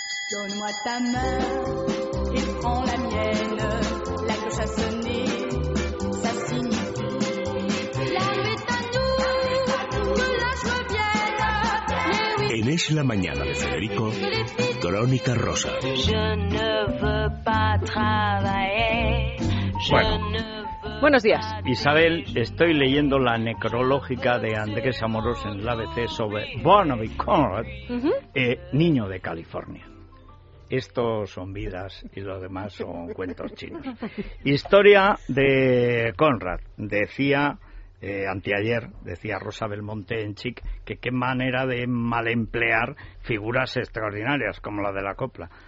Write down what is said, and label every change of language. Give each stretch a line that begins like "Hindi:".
French: Donne-moi ta main, il prend la mienne. La cloche a sonné, ça signifie l'arrivée est à nous, que la joie vienne.
Spanish: En Es la mañana de Federico, Crónica Rosa.
French: Je ne veux pas travailler.
Spanish: Bueno. Buenos días. Isabel, estoy leyendo la necrológica de Andrés Amorós en el ABC sobre Barnaby Conrad, niño de California. Esto son vidas y lo demás son cuentos chinos. Historia de Conrad. Decía, anteayer, decía Rosa Belmonte en Chic, que qué manera de malemplear figuras extraordinarias como la de la copla.